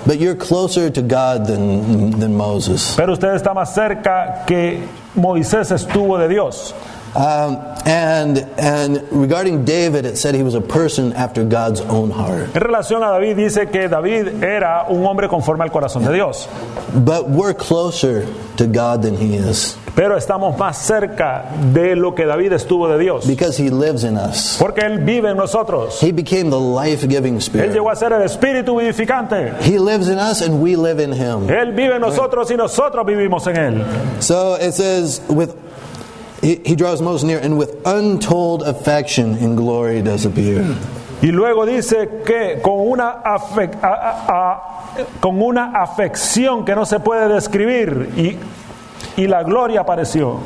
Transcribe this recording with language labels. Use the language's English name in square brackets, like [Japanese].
[English] But you're closer to God than Moses. [Spanish] Pero usted está más cerca que Moisés estuvo de Dios. [English] And regarding David, it said he was a person after God's own heart. [Spanish] En relación a David, dice que David era un hombre conforme al corazón de Dios. [English] But we're closer to God than he is. [Spanish] Pero estamos más cerca de lo que David estuvo de Dios. [English] Because he lives in us. [Spanish] Porque él vive en nosotros. [English] He became the life-giving spirit. [Spanish] Él llegó a ser el espíritu vivificante. [English] He lives in us and we live in him. [Spanish] Él vive en nosotros y nosotros vivimos en él. [English] So it says with he draws most near and with untold affection and glory does appear. [Spanish] Y luego dice que con una afección que no se puede describir y la gloria apareció.